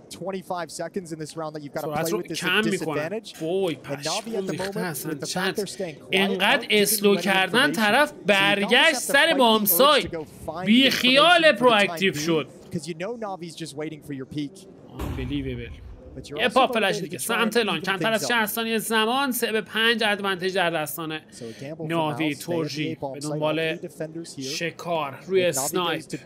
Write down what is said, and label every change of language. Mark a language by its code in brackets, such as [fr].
[en] 25 seconds in this round that you've got to play with this disadvantage. Boy, and Navi at the moment with the fact [fa] اینقدر اسلو کردن طرف برگشت سر بام سایت بی خیال پرو اکتیو شد. [en] Because you know Navi's just waiting for your peak. Unbelievable. [fa] یه پا فلش دیگه سمت لان، کمتر از 60 ثانیه زمان، 3 به 5 ادوانتیج در دستانه ناوی. تورجی به دنبال شکار روی سنایپ.